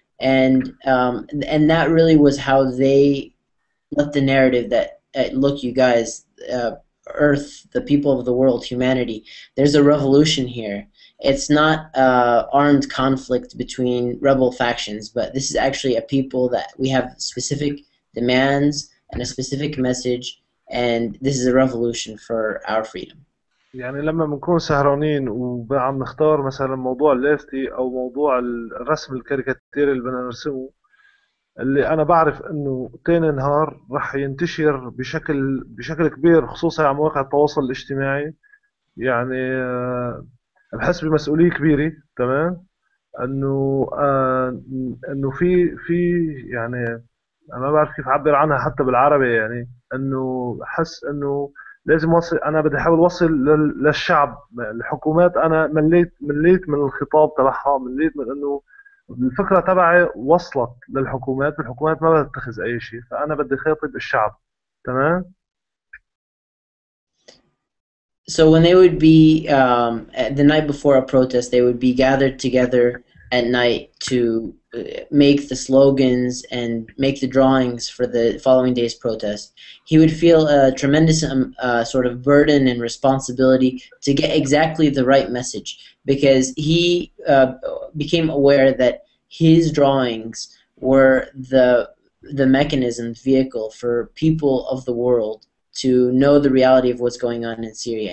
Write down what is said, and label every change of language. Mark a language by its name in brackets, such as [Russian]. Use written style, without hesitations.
[English] And and that really was how they let the narrative that, look, you guys, Earth, the people of the world, humanity, there's a revolution here. it's not armed conflict between rebel factions, but this is actually a people that we have specific demands and a specific message, and this is a revolution for our freedom. [Arabic] يعني لما بنكون سهرانين وبعم نختار مثلا موضوع اللافتي او موضوع الرسم الكاريكاتير اللي بدنا نرسمه اللي انا بعرف انه تاني نهار رح ينتشر بشكل كبير خصوصا على مواقع التواصل الاجتماعي يعني بحس بمسؤوليه كبيره تمام انه في يعني انا ما بعرف كيف اعبر عنها حتى بالعربي يعني انه حس انه لازم وصل انا بدي احاول اوصل للشعب الحكومات انا مليت من الخطاب تبعها مليت من انه الفكره تبعي وصلت للحكومات الحكومات ما بتتخذ اي شيء فانا بدي خاطب الشعب تمام. [English] So when they would be the night before a protest, they would be gathered together at night to make the slogans and make the drawings for the following day's protest. He would feel a tremendous sort of burden and responsibility to get exactly the right message because he became aware that his drawings were the mechanism, the vehicle for people of the world to know the reality of what's going on in Syria.